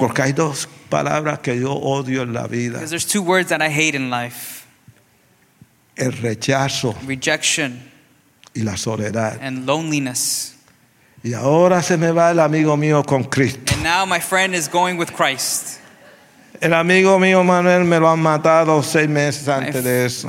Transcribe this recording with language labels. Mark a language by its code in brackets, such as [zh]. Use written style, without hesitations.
[es] Porque hay dos palabras que yo odio en la vida. [en] Because there's two words that I hate in life. [es] El rechazo. [en] Rejection. [es] Y la soledad. [en] And loneliness. [es] Y ahora se me va el amigo mío con Cristo. [en] And now my friend is going with Christ. [es] El amigo mío Manuel me lo han matado 6 meses antes de eso.